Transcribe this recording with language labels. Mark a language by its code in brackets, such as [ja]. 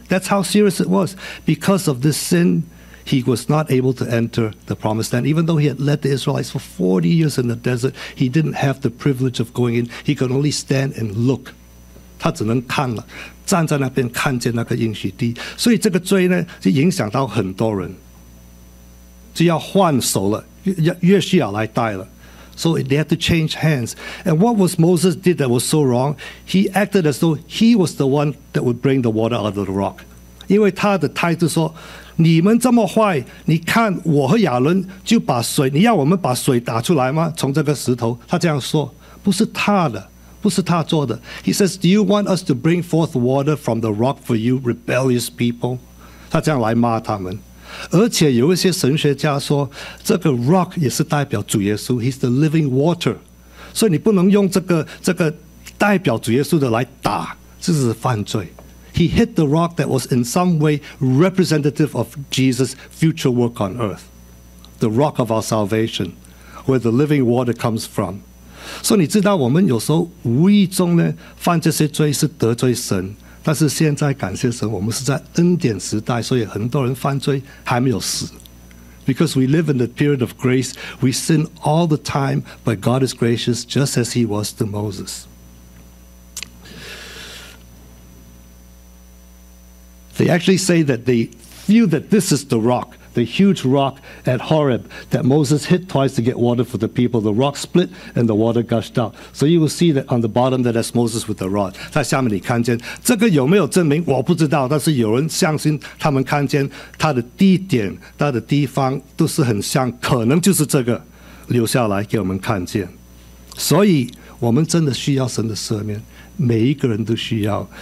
[en] That's how serious it was. Because of this sin, he was not able to enter the promised land. Even though he had led the Israelites for 40 years in the desert, he didn't have the privilege of going in. He could only stand and look. [zh] 他只能看了，站在那边看见那个应许地。所以这个罪呢，就影响到很多人，就要换手了，约西亚来带了。 [en] So they had to change hands. And what was Moses did that was so wrong? He acted as though he was the one that would bring the water out of the rock. [zh] 因为他的态度说，你们这么坏，你看我和亚伦就把水，你要我们把水打出来吗？从这个石头。他这样说，不是他的，不是他做的。 [en] He says, do you want us to bring forth water from the rock for you, rebellious people? [zh] 他这样来骂他们。而且有一些神学家说，这个 rock 也是代表主耶稣， [en] He's the living water. [zh] 所以你不能用这个代表主耶稣的来打，这是犯罪。 [en] He hit the rock that was in some way representative of Jesus' future work on earth. The rock of our salvation, where the living water comes from. [zh] 所以你知道，我们有时候无意中呢犯这些罪是得罪神，但是现在感谢神，我们是在恩典时代，所以很多人犯罪还没有死。 [en] Because we live in the period of grace, we sin all the time, but God is gracious just as he was to Moses. They actually say that they feel that this is the rock. The huge rock at Horeb that Moses hit twice to get water for the people. The rock split and the water gushed out. So you will see that on the bottom that that's Moses with the rod. [zh] 在下面你看见这个有没有证明我不知道，但是有人相信他们看见他的地点他的地方都是很像，可能就是这个留下来给我们看见。所以我们真的需要神的赦免，每一个人都需要。